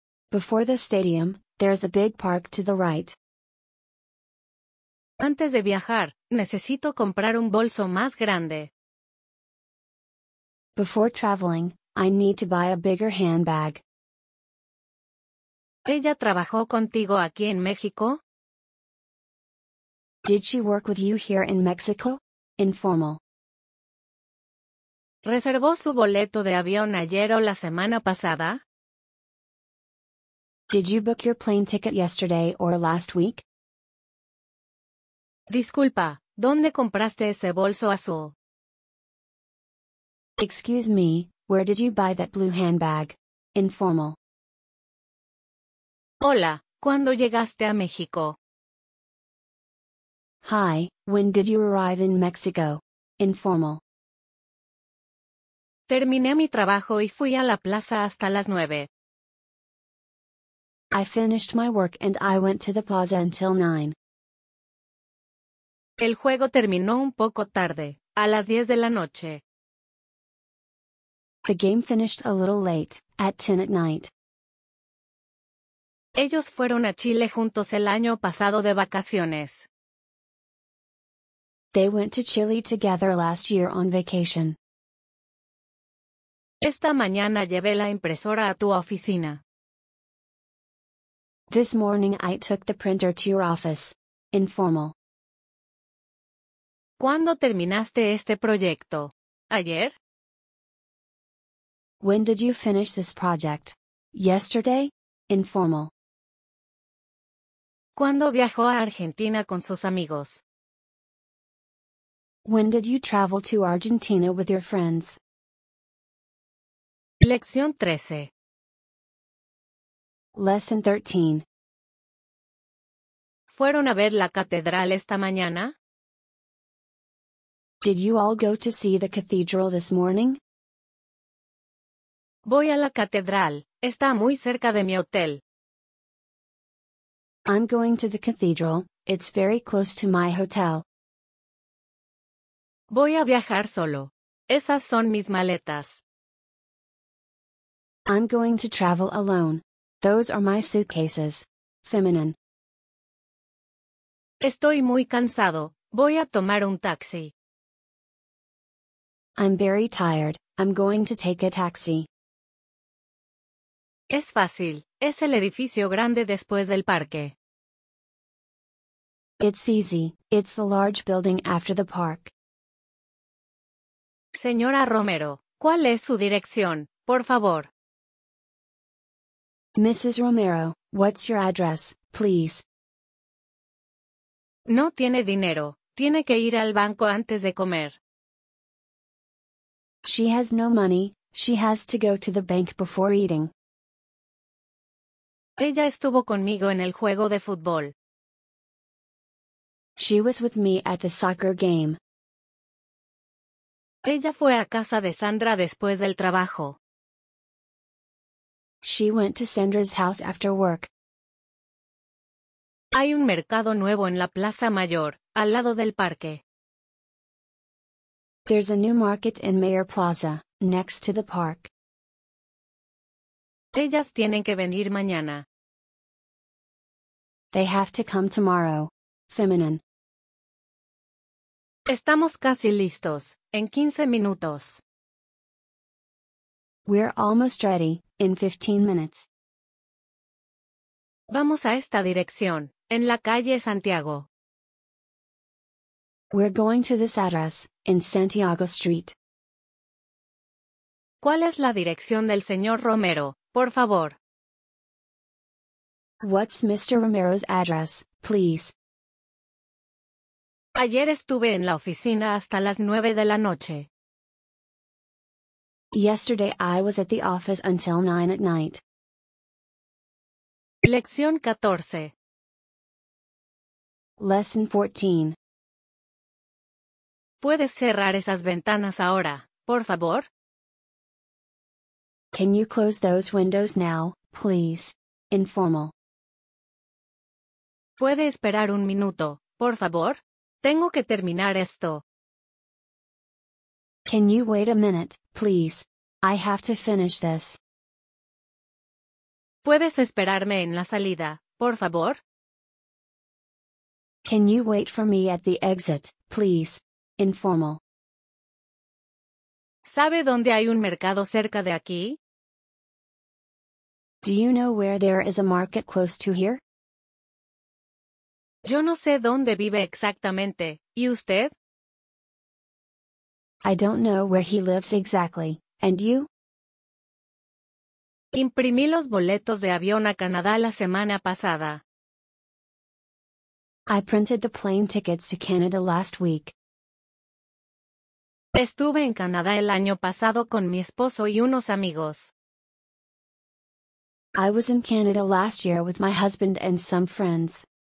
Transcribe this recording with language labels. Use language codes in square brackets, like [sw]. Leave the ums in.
[en] Before the stadium, there's a big park to the right. [es] Antes de viajar, necesito comprar un bolso más grande. [en] Before traveling, I need to buy a bigger handbag. [es] ¿Ella trabajó contigo aquí en México? [en] Did she work with you here in Mexico? Informal. [es] ¿Reservó su boleto de avión ayer o la semana pasada? [en] Did you book your plane ticket yesterday or last week? [es] Disculpa, ¿dónde compraste ese bolso azul? [en] Excuse me, where did you buy that blue handbag? Informal. [es] Hola, ¿cuándo llegaste a México? [en] Hi, when did you arrive in Mexico? Informal. [es] Terminé mi trabajo y fui a la plaza hasta las 9. [en] I finished my work and I went to the plaza until 9. [es] El juego terminó un poco tarde, a las 10 de la noche. [en] The game finished a little late, at 10 at night. [es] Ellos fueron a Chile juntos el año pasado de vacaciones. [en] They went to Chile together last year on vacation. [es] Esta mañana llevé la impresora a tu oficina. [en] This morning I took the printer to your office. Informal. [es] ¿Cuándo terminaste este proyecto? ¿Ayer? [en] When did you finish this project? Yesterday? Informal. [es] ¿Cuándo viajó a Argentina con sus amigos? [en] When did you travel to Argentina with your friends? [es] Lección 13. [en] Lesson 13. [es] ¿Fueron a ver la catedral esta mañana? [en] Did you all go to see the cathedral this morning? [es] Voy a la catedral, está muy cerca de mi hotel. [en] I'm going to the cathedral, it's very close to my hotel. [es] Voy a viajar solo. Esas son mis maletas. [en] I'm going to travel alone. Those are my suitcases. Feminine. [es] Estoy muy cansado. Voy a tomar un taxi. [en] I'm very tired. I'm going to take a taxi. [es] Es fácil. Es el edificio grande después del parque. [en] It's easy. It's the large building after the park. [es] Señora Romero, ¿cuál es su dirección, por favor? [en] Mrs. Romero, what's your address, please? [es] No tiene dinero. Tiene que ir al banco antes de comer. [en] She has no money. She has to go to the bank before eating. [es] Ella estuvo conmigo en el juego de fútbol. [en] She was with me at the soccer game. [es] Ella fue a casa de Sandra después del trabajo. [en] She went to Sandra's house after work. [es] Hay un mercado nuevo en la Plaza Mayor, al lado del parque. [en] There's a new market in Mayor Plaza, next to the park. [es] Ellas tienen que venir mañana. [en] They have to come tomorrow. Feminine. [es] Estamos casi listos, en 15 minutos. [en] We're almost ready, in 15 minutes. [es] Vamos a esta dirección, en la calle Santiago. [en] We're going to this address, in Santiago Street. [es] ¿Cuál es la dirección del señor Romero, por favor. [en] What's Mr. Romero's address, please? [es] Ayer estuve en la oficina hasta las nueve de la noche. [en] Yesterday I was at the office until nine at night. [es] Lección 14 [en] Lesson 14 [es] ¿Puedes cerrar esas ventanas ahora, por favor? [en] Can you close those windows now, please? Informal. [es] Puede esperar un minuto, por favor? Tengo que terminar esto. [en] Can you wait a minute, please? I have to finish this. [es] Puedes esperarme en la salida, por favor? [en] Can you wait for me at the exit, please? Informal. [es] ¿Sabe dónde hay un mercado cerca de aquí? [en] Do you know where there is a market close to here? [es] Yo no sé dónde vive exactamente. ¿Y usted? [en] I don't know where he lives exactly. And you? [es] Imprimí los boletos de avión a Canadá la semana pasada. [en] I printed the plane tickets to Canada last week. [es] Estuve en Canadá el año pasado con mi esposo y unos amigos. [en] I was in Canada last year with my husband and some friends.